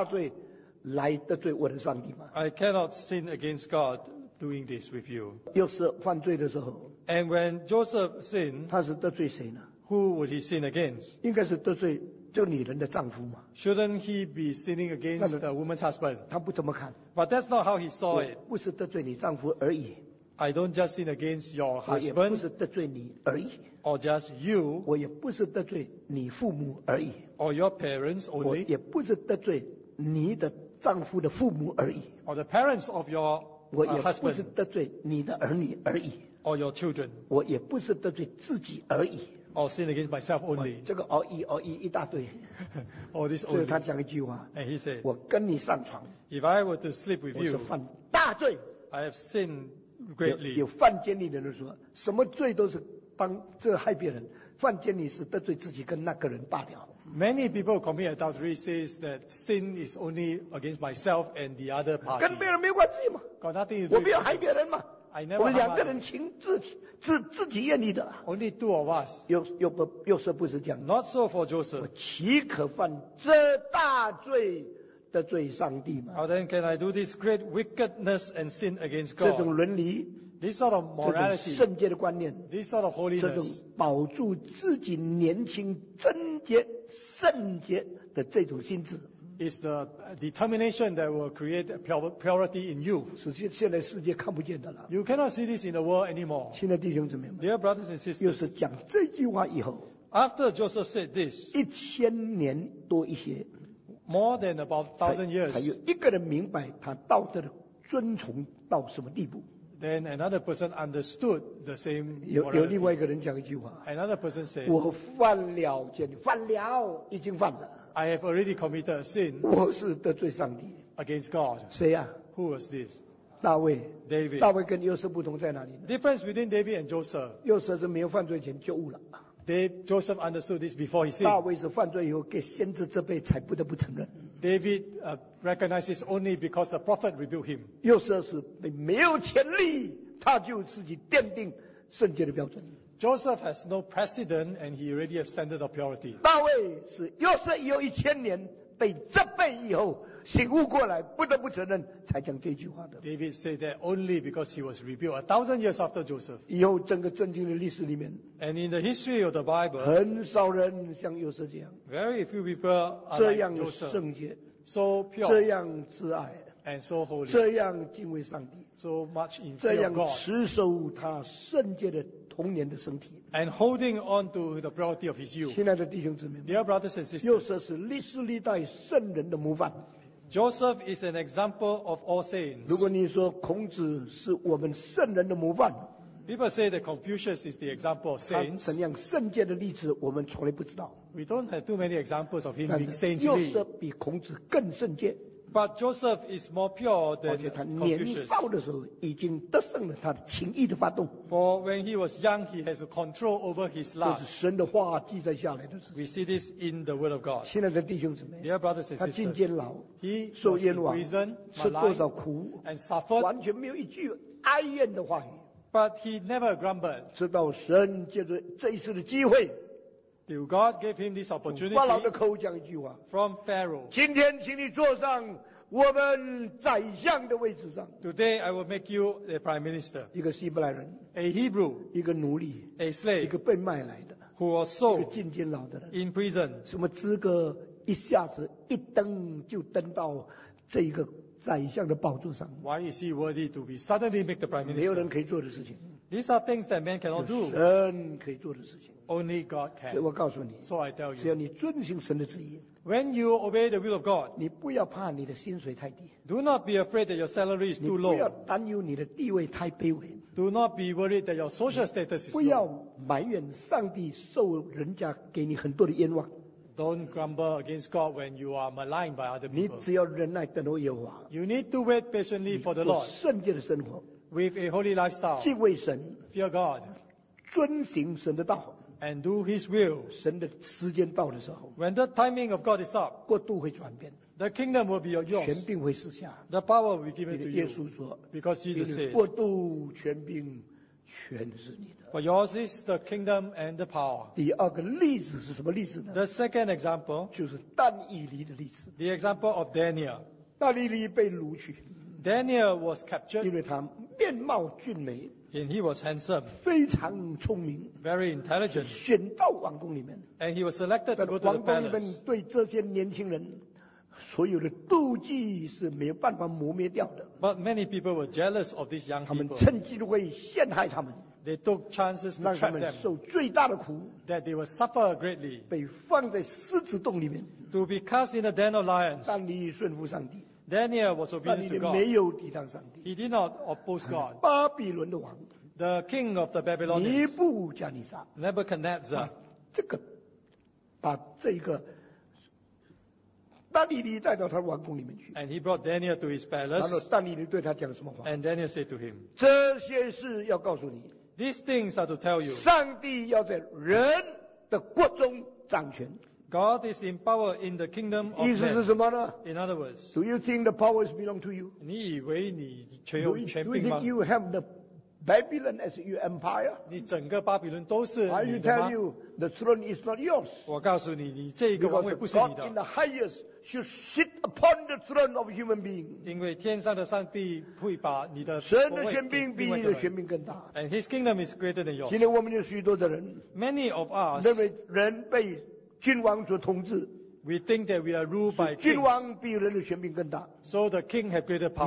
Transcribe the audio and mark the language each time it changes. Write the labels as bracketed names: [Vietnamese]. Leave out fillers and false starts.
[Chinese] 我可以犯这个大罪来得罪我的上帝吗? [English] I cannot sin against God doing this with you. [Chinese] 又是犯罪的时候, [English] and when Joseph sinned, [Chinese] 他是得罪谁呢? [English] Who would he sin against? [Chinese] 应该是得罪这个女人的丈夫嘛? [English] Shouldn't he be sinning against the woman's husband? [Chinese] 他不怎么看, [English] but that's not how he saw it. [Chinese] 不是得罪你丈夫而已, [English] I don't just sin against your husband, [Chinese] 我也不是得罪你而已, [English] or just you, [Chinese] 我也不是得罪你父母而已, [English] or your parents only, [Chinese] 我也不是得罪你的丈夫的父母而已, [English] or the parents of your husband, [Chinese] 我也不是得罪你的儿女而已, [English] or your children, [Chinese] 我也不是得罪自己而已, [English] or sin against myself only. [Chinese] 这个而已一大堆, [English] all this only. [Chinese] 所以他讲一句话, [English] and he said, [Chinese] 我跟你上床, [English] if I were to sleep with you, [Chinese] 我是犯大罪, [English] I have sinned greatly. [Chinese] 有犯奸淫的人说, 什么罪都是帮这害别人, 犯奸淫是得罪自己跟那个人罢了。 [English] Many people commit adultery says that sin is only against myself and the other party. [Chinese] 跟别人没关系嘛, [English] got nothing to do. [Chinese] 我没有害别人嘛, [English] I never. [Chinese] 我们两个人情自己愿意的, [English] only two of us. [Chinese] 又是不是这样, [English] not so for Joseph. [Chinese] 我岂可犯这大罪得罪上帝吗？ [English] How then can I do this great wickedness and sin against God? [Chinese] 这种伦理， [English] this sort of morality, [Chinese] 这种圣洁的观念， [English] this sort of holiness, [Chinese] 这种保住自己年轻贞洁圣洁的这种心智， [English] is the determination that will create purity in you. [Chinese] 是现在世界看不见的了。 [English] You cannot see this in the world anymore. [Chinese] 亲爱的弟兄姊妹们， [English] Dear brothers and sisters, [Chinese] 又是讲这句话以后， [English] After Joseph said this, [Chinese] 一千年多一些， [English] More than about 1,000 years. [Chinese] 才有一个人明白他道德的遵从到什么地步。 [English] Then another person understood the same. [Chinese] 有另外一个人讲一句话。 [English] Another person said, [Chinese] 我犯了奸，犯了，已经犯了。 [English] I have already committed a sin. [Chinese] 我是得罪上帝。 [English] Against God. [Chinese] 谁呀？ [English] Who was this? [Chinese] 大卫。 [English] David. [Chinese] 大卫跟约瑟不同在哪里呢？ [English] Difference between David and Joseph. [Chinese] 约瑟是没有犯罪前就悟了。 [English] Joseph understood this before he sinned. [Chinese] 大卫是犯罪以后给先知责备才不得不承认。 [English] David recognizes only because the prophet rebuked him. [Chinese] 约瑟是没有潜力，他就自己奠定圣洁的标准。 [English] Joseph has no precedent and he already has standard of purity. [Chinese] 大卫是约瑟以后一千年被责备以后醒悟过来，不得不承认才讲这句话的。 [English] David said that only because he was rebuilt 1,000 years after Joseph. [Chinese] 以后整个圣经的历史里面， [English] and in the history of the Bible, [Chinese] 很少人像约瑟这样， [English] very few people are like Joseph, [Chinese] 这样圣洁， [English] so pure, [Chinese] 这样挚爱， [English] and so holy, [Chinese] 这样敬畏上帝， [English] so much in fear of God, [Chinese] 这样持守他圣洁的童年的身体， [English] and holding on to the purity of his youth. [Chinese] 亲爱的弟兄姊妹， [English] dear brothers and sisters, [Chinese] 约瑟是历史历代圣人的模范。 [English] Joseph is an example of all saints. [Chinese] 如果你说孔子是我们圣人的模范， [English] People say that Confucius is the example of saints. [Chinese] 他怎样圣洁的例子我们从来不知道。 [English] We don't have too many examples of him being saintly. [Chinese] 约瑟比孔子更圣洁。 [English] But Joseph is more pure than Confucius. [Chinese] 他年少的时候已经得胜了他的情欲的发动。 [English] For when he was young, he has control over his lust. [Chinese] 这是神的话记载下来的事。 [English] We see this in the word of God. [Chinese] 亲爱的弟兄姊妹， [English] Dear brothers and sisters, [Chinese] 他进监牢， [English] He [Chinese] 受冤枉， [English] prison, [Chinese] 吃多少苦， [English] and suffered, [Chinese] 完全没有一句哀怨的话语。 [English] But he never grumbled. [Chinese] 直到神借着这一次的机会， [English] Till God gave him this opportunity, [Chinese] 从法老的口讲一句话， [English] from Pharaoh, [Chinese] 今天请你坐上我们宰相的位置上。 [English] Today I will make you a prime minister. [Chinese] 一个希伯来人， [English] a Hebrew, [Chinese] 一个奴隶， [English] a slave, [Chinese] 一个被卖来的， [English] who was sold, [Chinese] 一个进监牢的人， [English] in prison, [Chinese] 什么资格一下子一登就登到这一个宰相的宝座上。 [English] Why is he worthy to be suddenly make the prime minister? [Chinese] 没有人可以做的事情。 [English] These are things that man cannot do. [Chinese] 神可以做的事情。 [English] Only God can. [Chinese] 所以我告诉你， [English] So I tell you. [Chinese] 只要你遵行神的旨意， [English] When you obey the will of God, [Chinese] 你不要怕你的薪水太低。 [English] Do not be afraid that your salary is too low. [Chinese] 你不要担忧你的地位太卑微。 [English] Do not be worried that your social status is low. [Chinese] 不要埋怨上帝受人家给你很多的冤枉。 [English] Don't grumble against God when you are maligned by other people. [Chinese] 你只要忍耐等候耶和华。 [English] You need to wait patiently for the Lord. [Chinese] 圣洁的生活。 [English] With a holy lifestyle. [Chinese] 敬畏神。 [English] Fear God. [Chinese] 遵行神的道。 [English] And do His will. [Chinese] 神的时间到的时候。 [English] When the timing of God is up. [Chinese] 国度会转变。 [English] The kingdom will be yours. [Chinese] 权柄会赐下。 [English] The power will be given to you. [Chinese] 耶稣说。 [English] Because Jesus said. [Chinese] 国度权柄全是你的。 [English] For yours is the kingdom and the power. [Chinese] 第二个例子是什么例子呢？ [English] The second example [Chinese] 就是但以理的例子。 [English] The example of Daniel. [Chinese] 但以理被掳去。 [English] Daniel was captured. [Chinese] 因为他面貌俊美。 [English] And he was handsome. [Chinese] 非常聪明。 [English] Very intelligent. [Chinese] 选到王宫里面。 [English] And he was selected to go to the palace. [Chinese] 王宫里面对这些年轻人所有的妒忌是没有办法磨灭掉的。 [English] But many people were jealous of these young people. [Chinese] 他们趁机会陷害他们。 [English] They took chances to trap them. [Chinese] 让他们受最大的苦。 [English] That they will suffer greatly. [Chinese] 被放在狮子洞里面。 [English] To be cast in a den of lions. [Chinese] 但你顺服上帝。 [English] Daniel was obedient to God. [Chinese] 没有抵挡上帝。 [English] He did not oppose God. [Chinese] 巴比伦的王。 [English] The king of the Babylonians. [Chinese] 尼布加尼撒。 [English] Nebuchadnezzar. [Chinese] 这个，把这个但以理带到他的王宫里面去。 [English] And he brought Daniel to his palace. [Chinese] 然后但以理对他讲什么话？ [English] And Daniel said to him, [Chinese] 这些事要告诉你。 [English] These things are to tell you. [Chinese] 上帝要在人的国中掌权。 [English] God is in power in the kingdom of man. [Chinese] 意思是什么呢？ [English] In other words, do you think the powers belong to you? [Chinese] 你以为你全有权柄吗？ [English] Do you think you have the Babylon as your empire. [Chinese] 你整个巴比伦都是你的吗? [English] I will tell you, the throne is not yours. [Chinese] 我告诉你, 你这个王位不是你的。 [English] Because God in the highest should sit upon the throne of human being. [Chinese] 因为天上的上帝会把你的神的权柄比你的权柄更大。 [English] And his kingdom is greater than yours. [Chinese] 今天我们有许多的人, [English] many of us, [Chinese] 认为人被君王所统治。 [English] We think that we are ruled by kings. [Chinese] 君王比人的权柄更大。 [English] So the king has greater power.